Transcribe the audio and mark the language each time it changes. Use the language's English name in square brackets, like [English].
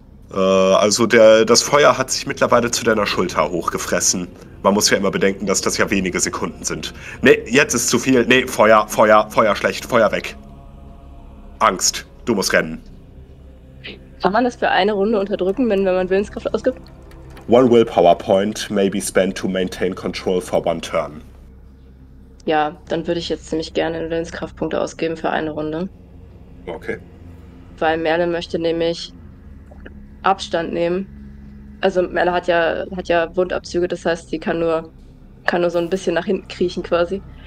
[German] Das Feuer hat sich mittlerweile zu deiner Schulter hochgefressen. Man muss ja immer bedenken, dass das ja wenige Sekunden sind. Nee, jetzt ist zu viel. Nee, Feuer schlecht. Feuer weg. Angst. Du musst rennen. Kann man das für eine Runde unterdrücken, wenn man Willenskraft ausgibt? [English] One willpower point may be spent to maintain control for one turn. [German] Ja, dann würde ich jetzt ziemlich gerne Willenskraftpunkte ausgeben für eine Runde. Okay. Weil Merle möchte nämlich Abstand nehmen. Also Merle hat ja Wundabzüge, das heißt, sie kann nur so ein bisschen nach hinten kriechen quasi.